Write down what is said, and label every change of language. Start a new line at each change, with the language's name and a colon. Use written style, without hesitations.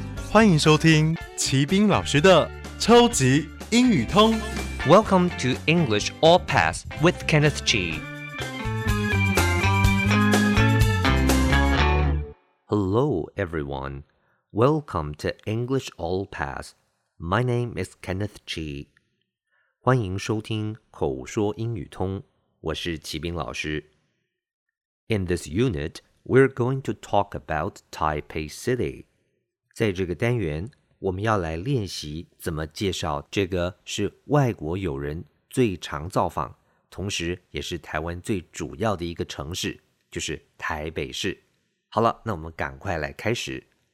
Chinese: 欢迎收听齐宾老师的超级英语通。
English: Welcome to English All Pass with Kenneth G. Hello, everyone. Welcome to English All Pass. My name is Kenneth G.
Chinese: 欢迎收听口说英语通。我是齐宾老师。
English: In this unit, we're going to talk about Taipei City.
Chinese: 在这个单元，我们要来练习怎么介绍这个是外国友人最常造访，同时也是台湾最主要的一个城市，就是台北市。好了，那我们赶快来开始。